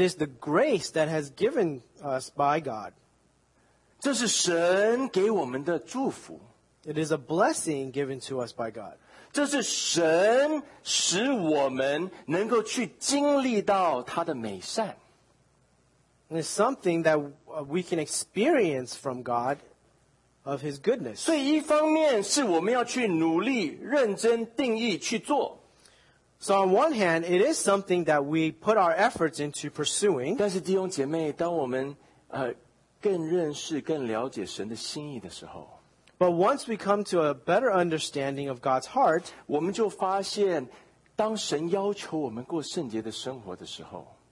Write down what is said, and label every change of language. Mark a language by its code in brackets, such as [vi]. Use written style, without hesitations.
[en] is the grace that has given us by God. [zh] 这是神给我们的祝福。 [en] It is a blessing given to us by God. [zh] 这是神使我们能够去经历到他的美善。 [en] It's something that we can experience from God of His goodness. [zh] 所以一方面是我们要去努力、认真、定义去做。 [en] So on one hand, it is something that we put our efforts into pursuing. [zh] 但是弟兄姐妹，当我们更认识、更了解神的心意的时候， [en] But once we come to a better understanding of God's heart, [zh] 我们就发现，当神要求我们过圣洁的生活的时候，